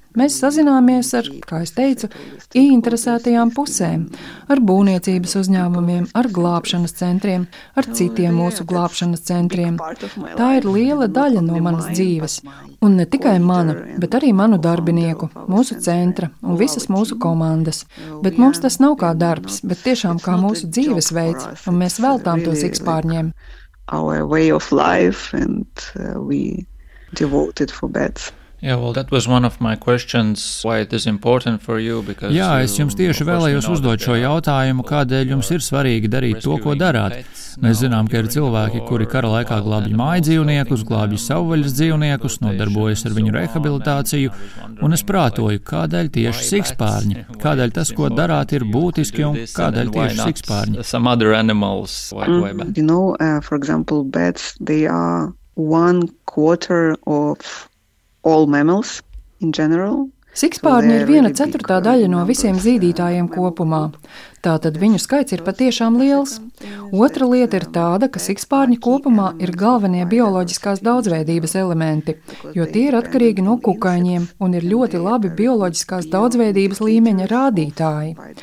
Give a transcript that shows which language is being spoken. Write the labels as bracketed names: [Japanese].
[Latvian] Mēs sazināmies ar, kā es teicu, ieinteresētajām pusēm, ar būvniecības uzņēmumiem, ar glābšanas centriem, ar citiem mūsu glābšanas centriem. Tā ir liela daļa no manas dzīves, un ne tikai mana, bet arī manu darbinieku, mūsu centra un visas mūsu komandas. Bet mums tas nav kā darbs, bet tiešām kā mūsu dzīvesveids, un mēs veltām to sikspārņiem. [English] Our way of life and we devoted for beds. Yeah, well, that was one of my questions, why it is important for you, because... [Latvian] Jā, es jums tieši vēlējos uzdot šo jautājumu, kādēļ jums ir svarīgi darīt to, ko darāt. Mēs zinām, ka ir cilvēki, kuri kara laikā glābj māju dzīvniekus, glābj savvaļas dzīvniekus, nodarbojas ar viņu rehabilitāciju, un es prātoju, kādēļ tieši sikspārņi, kādēļ tas, ko darāt, ir būtiski, un kādēļ tieši sikspārņi. [English] Some other animals, you know, for example, bats, they are one quarter of... All mammals in general. [Latvian] Sikspārņi ir viena ceturtā daļa no visiem zīdītājiem kopumā. Tātad viņu skaits ir patiešām liels. Otra lieta ir tāda, ka sikspārņi kopumā ir galvenie bioloģiskās daudzveidības elementi, jo tie ir atkarīgi no kukaiņiem un ir ļoti labi bioloģiskās daudzveidības līmeņa rādītāji.